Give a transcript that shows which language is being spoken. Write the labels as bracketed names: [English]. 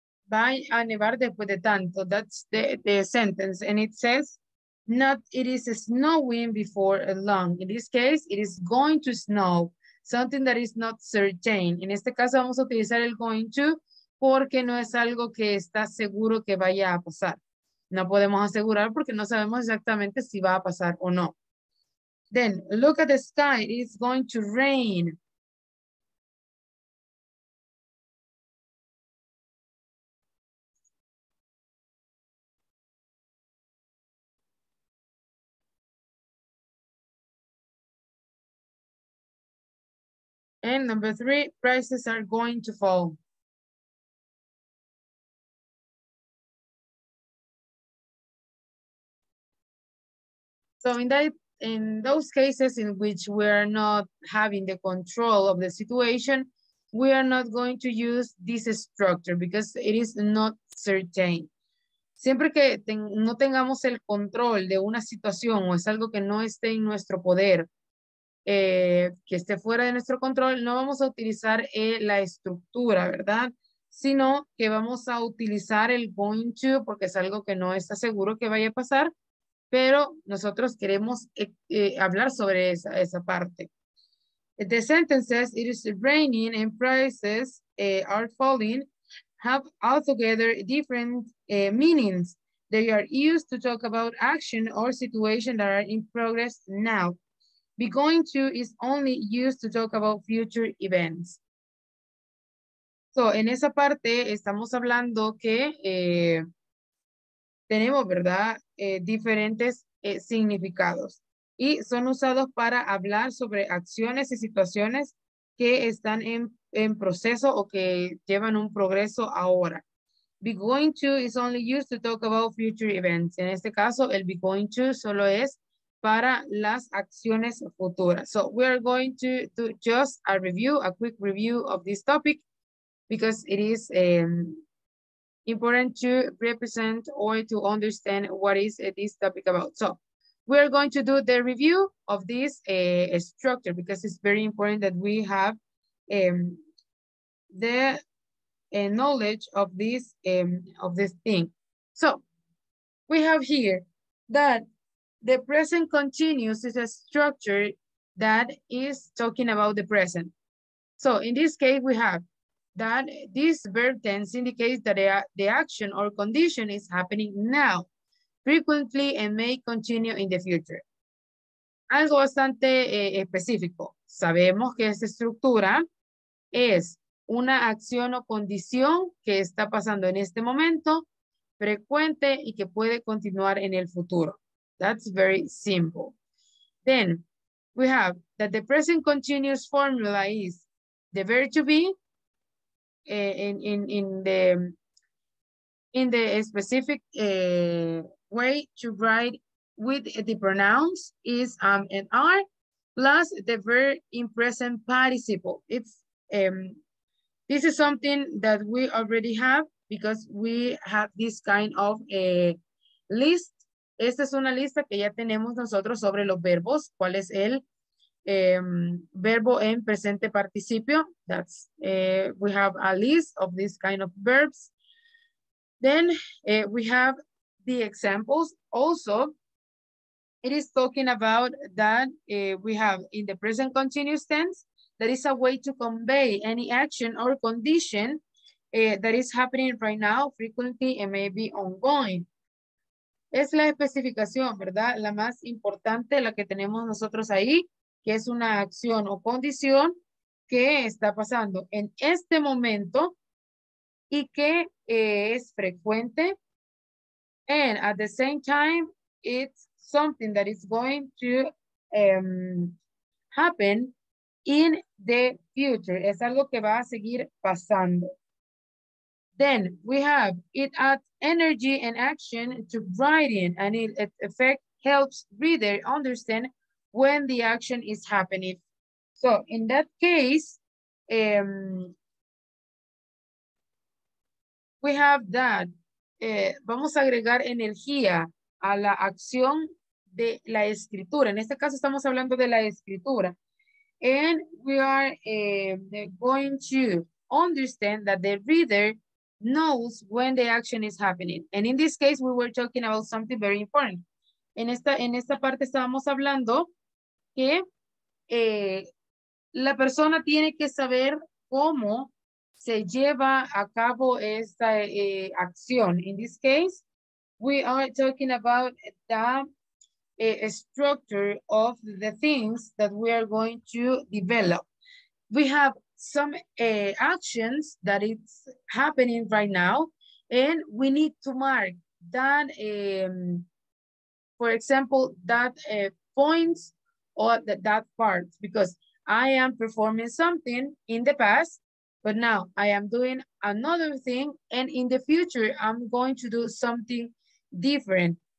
[Spanish] Va a nevar después de tanto. [English] That's the sentence. And it says, not it is snowing before long. In this case, it is going to snow, something that is not certain. [Spanish] En este caso vamos a utilizar el going to porque no es algo que está seguro que vaya a pasar. No podemos asegurar porque no sabemos exactamente si va a pasar o no. [English] Then, look at the sky, it is going to rain. And number three, prices are going to fall. So in those cases in which we are not having the control of the situation, we are not going to use this structure because it is not certain. [Spanish] Siempre que no tengamos el control de una situación o es algo que no esté en nuestro poder, que esté fuera de nuestro control, no vamos a utilizar la estructura, ¿verdad? Sino que vamos a utilizar el going to, porque es algo que no está seguro que vaya a pasar, pero nosotros queremos hablar sobre esa parte. [English] The sentence says, it is raining and prices are falling, have altogether different meanings. They are used to talk about action or situation that are in progress now. Be going to is only used to talk about future events. [Spanish] So, en esa parte estamos hablando que tenemos, ¿verdad? Diferentes significados. Y son usados para hablar sobre acciones y situaciones que están en proceso o que llevan un progreso ahora. [English] Be going to is only used to talk about future events. [Spanish] En este caso, el be going to solo es para las acciones futuras. [English] So we are going to do just a review, a quick review of this topic, because it is important to represent or to understand what is this topic about. So we are going to do the review of this structure because it's very important that we have the knowledge of this thing. So we have here that the present continuous is a structure that is talking about the present. So in this case, we have that this verb tense indicates that the action or condition is happening now. frequently and may continue in the future. [Spanish] Algo bastante específico. Sabemos que esta estructura es una acción o condición que está pasando en este momento, frecuente y que puede continuar en el futuro. [English] That's very simple. Then, we have that the present continuous formula is the verb to be in the specific way to write with the pronouns is am and are plus the verb in present participle. It's this is something that we already have because we have this kind of a list. [Spanish] Esta es una lista que ya tenemos nosotros sobre los verbos. ¿Cuál es el verbo en presente participio? [English] That's we have a list of this kind of verbs. Then we have the examples. Also, it is talking about that we have in the present continuous tense, that is a way to convey any action or condition that is happening right now, frequently, and maybe ongoing. [Spanish] Es la especificación, ¿verdad? La más importante, la que tenemos nosotros ahí, que es una acción o condición que está pasando en este momento y que es frecuente. [English] And at the same time, it's something that is going to happen in the future. [Spanish] Es algo que va a seguir pasando. [English] Then we have it adds energy and action to writing, and its effect helps reader understand when the action is happening. So in that case, we have that. [Spanish] Vamos a agregar energía a la acción de la escritura. En este caso estamos hablando de la escritura. [English] And we are going to understand that the reader knows when the action is happening. And in this case, we were talking about something very important. [Spanish] En esta parte estábamos hablando que la persona tiene que saber cómo se lleva a cabo esta acción. [English] In this case, we are talking about the structure of the things that we are going to develop. We have some actions that it's happening right now, and we need to mark that, for example, that points or that part, because I am performing something in the past, but now I am doing another thing, and in the future, I'm going to do something different.